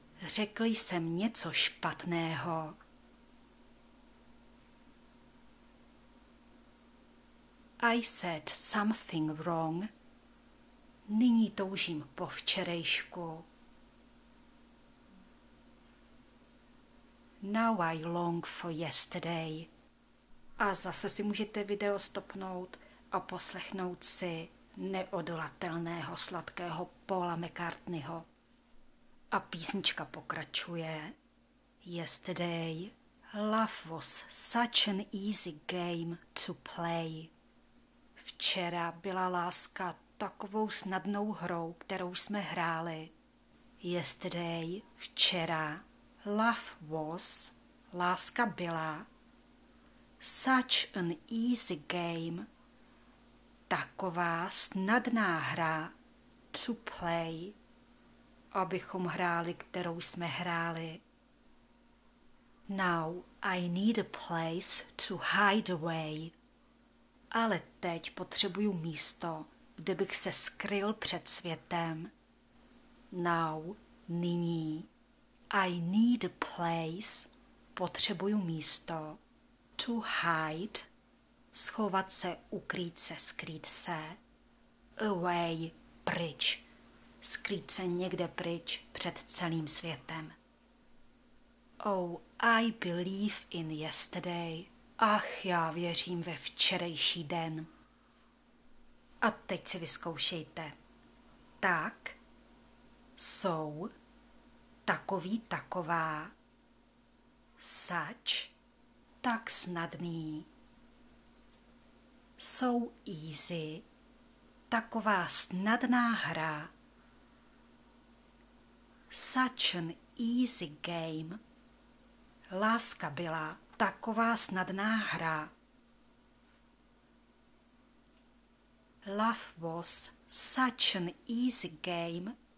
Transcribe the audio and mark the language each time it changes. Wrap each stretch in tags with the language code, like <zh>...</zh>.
<cs>Řekl jsem něco špatného.</cs> <en>I said something wrong.</en> <cs>Nyní toužím po včerejšku.</cs> <en>Now I long for yesterday.</en> <cs>A zase si můžete video stopnout a poslechnout si neodolatelného sladkého Paula McCartneyho. A písnička pokračuje.</cs> <en>Yesterday, love was such an easy game to play.</en> <cs>Včera byla láska takovou snadnou hrou, kterou jsme hráli. Yesterday, včera,</cs> <en>love was,</en> <cs>láska byla,</cs> <en>such an easy game,</en> <cs>taková snadná hra,</cs> <en>to play,</en> <cs>abychom hráli, kterou jsme hráli.</cs> <en>Now I need a place to hide away.</en> <cs>Ale teď potřebuju místo, kde bych se skryl před světem.</cs> <en>Now, nyní. I need a place,</en> <cs>potřebuju místo.</cs> <en>To hide,</en> <cs>schovat se, ukrýt se, skrýt se.</cs> <en>Away, pryč,</en> <cs>skrýt se někde pryč před celým světem.</cs> <en>Oh, I believe in yesterday.</en> <cs>Ach, já věřím ve včerejší den. A teď si vyzkoušejte. Tak, jsou, takový, taková.</cs> <en>Such,</en> <cs>tak snadný.</cs> <en>So easy,</en> <cs>taková snadná hra.</cs> <en>Such an easy game.</en> <cs>Láska byla taková snadná hra.</cs> <en>Love was such an easy game.</en>